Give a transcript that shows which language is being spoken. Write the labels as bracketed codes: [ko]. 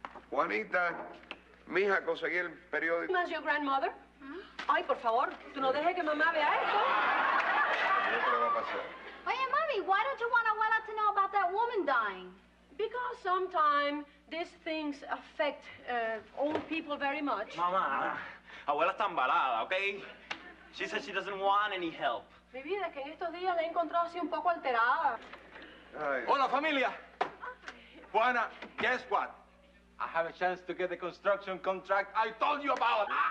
[es] Juanita, mija, conseguí el periódico. ¿Más [en] your grandmother? [es] Ay, por favor, tú no dejes que mamá vea esto. ¿Qué le va a pasar? Oye, mami, [en] why don't you want abuela to know about that woman dying? Because sometimes these things affect old people very much. [es] Mamá, abuela está embalada, ¿ok? [en] She says she doesn't want any help. [es] Mi vida, es que en estos días la he encontrado así un poco alterada. Ay. Hola, familia. Juana, [en] guess what? I have a chance to get the construction contract I told you about.